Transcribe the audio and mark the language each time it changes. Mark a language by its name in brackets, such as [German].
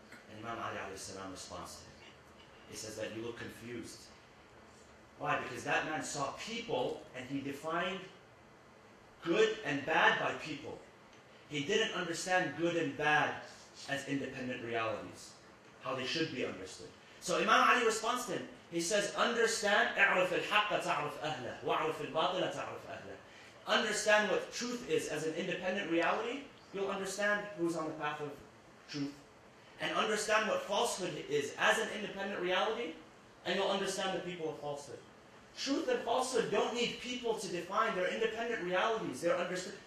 [English] And Imam Ali alayhi salam responds to him. He says that you look confused. Why? Because that man saw people and he defined good and bad by people. He didn't understand good and bad as independent realities, how they should be understood. So Imam Ali responds to him. He says, understand, [Arabic] اعرف الحق تعرف أهله وعرف الباطل تعرف أهله. [English] Understand what truth is as an independent reality, you'll understand who's on the path of truth, and understand what falsehood is as an independent reality, and you'll understand the people of falsehood. Truth and falsehood don't need people to define. They're independent realities. They're understood.